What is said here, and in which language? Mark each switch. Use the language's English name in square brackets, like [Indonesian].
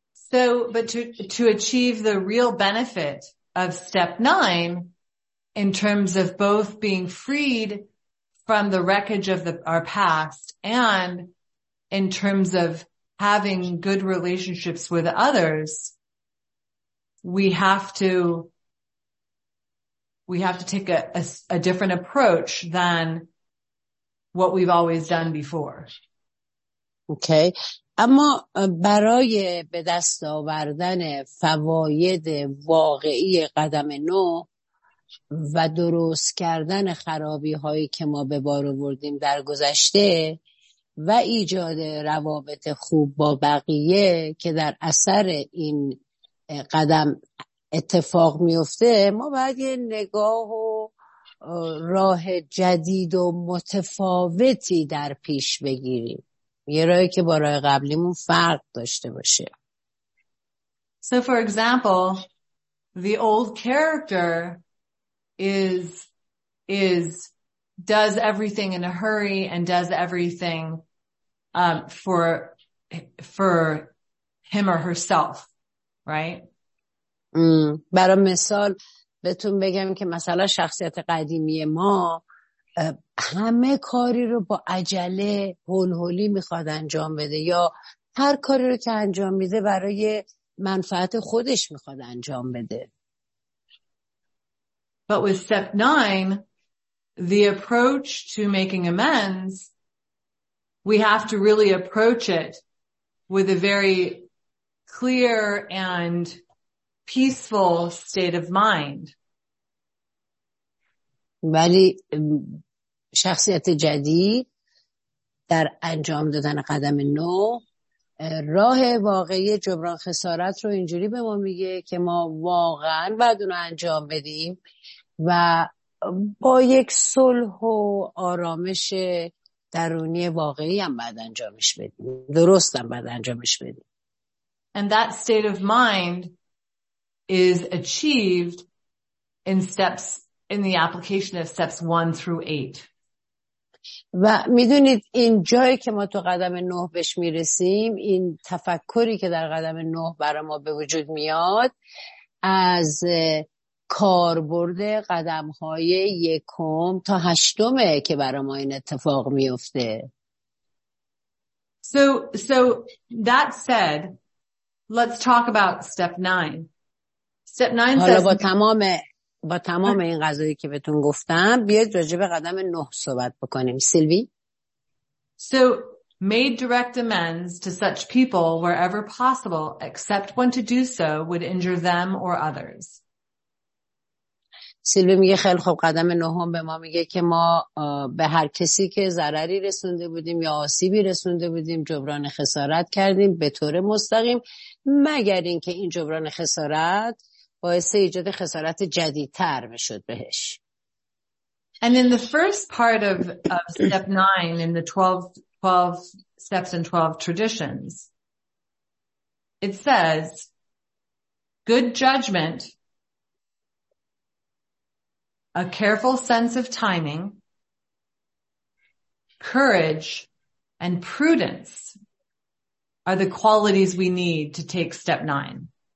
[English] So but to achieve the real benefit of step 9 in terms of both being freed from the wreckage of our past and in terms of having good relationships with others, we have to take a different approach than what we've always done before. Okay. [Persian] اما برای به دست آوردن فواید واقعی قدم نو و درست کردن خرابی هایی که ما به بار آوردیم در گذشته و ایجاد روابط خوب با بقیه که در اثر این قدم اتفاق میفته، ما باید یه نگاه و راه جدید و متفاوتی در پیش بگیریم، یه راهی که با راه قبلیمون فرق داشته باشه. [English] So for example, the old character is does everything in a hurry and does everything for him or herself, right? [Persian] برای مثال بهتون بگم که مثلا شخصیت قدیمی ما همه کاری رو با عجله هول‌هولی میخواد انجام بده یا هر کاری رو که انجام میده برای منفعت خودش میخواد انجام بده. [English] But with step 9, the approach to making amends, we have to really approach it with a very clear and peaceful state of mind. [Persian] ولی شخصیت جدید در انجام دادن قدم نو راه واقعی جبران خسارت رو اینجوری به ما میگه که ما واقعا باید اون رو انجام بدیم و با یک صلح و آرامش درونی واقعی هم باید انجامش بدیم، درست هم باید انجامش بدیم. [English] And that state of mind is achieved in the application of steps 1 through 8. [Persian] و میدونید این جایی که ما تو قدم 9 بهش میرسیم، این تفکری که در قدم 9 برای ما به وجود میاد از کاربرد قدم های 1 تا 8 که برای ما این اتفاق میفته. [English] So that said, let's talk about step 9. Step 9 says [Persian] با تمام این قضایی که بهتون گفتم، بیاید راجع به قدم 9 صحبت بکنیم. سیلوی. [English] So made direct amends to such people wherever possible, except when to do so would injure them or others. [Persian] سیلوی میگه خیلی خوب، قدم 9 به ما میگه که ما به هر کسی که ضرری رسونده بودیم یا آسیبی رسونده بودیم جبران خسارت کردیم به طور مستقیم، مگر اینکه این جبران خسارت باعث ایجاد خسارت جدیدتر بشد بهش. [English] And in the first part of step 9 in the 12 steps and 12 traditions, it says good judgment, a careful sense of timing, courage, and prudence are the qualities we need to take step 9.